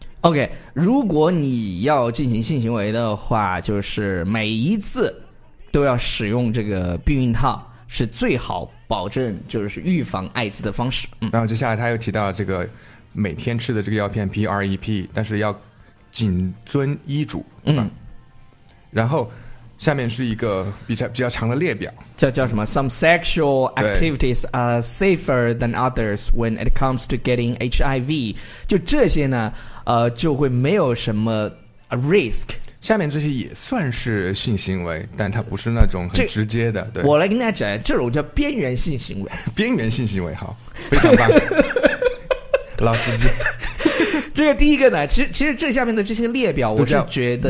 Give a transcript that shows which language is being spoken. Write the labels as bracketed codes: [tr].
[zh] OK, 如果你要进行性行为的话，就是每一次都要使用这个避孕套，是最好保证就是预防艾滋的方式。嗯、然后接下来他又提到这个每天吃的这个药片 PrEP， 但是要谨遵医嘱。嗯，然后下面是一个比较长的列表，叫什么 ？ [en] Some sexual activities are safer than others when it comes to getting HIV。 [zh] 就这些呢，就会没有什么 risk。下面这些也算是性行为，但它不是那种很直接的。对，我来跟大家讲，这种叫边缘性行为。边缘性行为，好，非常棒，老司机。这个第一个呢，其实这下面的这些列表，我是觉得